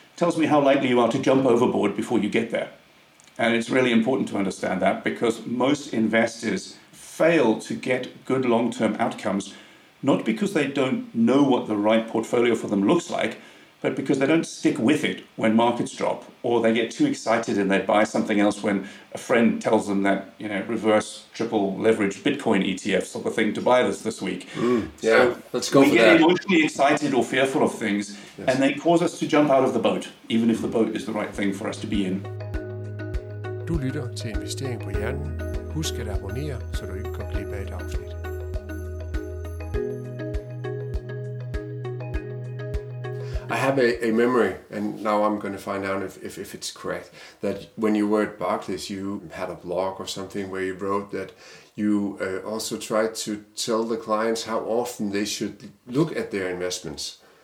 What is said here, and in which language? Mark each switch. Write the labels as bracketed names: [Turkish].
[English] tells me how likely you are to jump overboard before you get there. And it's really important to understand that, because most investors fail to get good long-term outcomes, not because they don't know what the right portfolio for them looks like, but because they don't stick with it when markets drop, or they get too excited and they buy something else when a friend tells them that, you know, reverse triple leverage Bitcoin ETFs are the thing to buy this week. Mm, yeah, so let's go for that. We get emotionally excited or fearful of things, yes, and they cause us to jump out of the boat, even if the boat is the right thing for us to be in. [Danish] Du lytter til Investering på Hjernen. Husk at abonnere, så du ikke går glip af et afsnit. [English] I have a memory, and now I'm going to find out if it's correct, that when you were at Barclays, you had a blog or something where you wrote that you also tried to tell the clients how often they should look at their investments.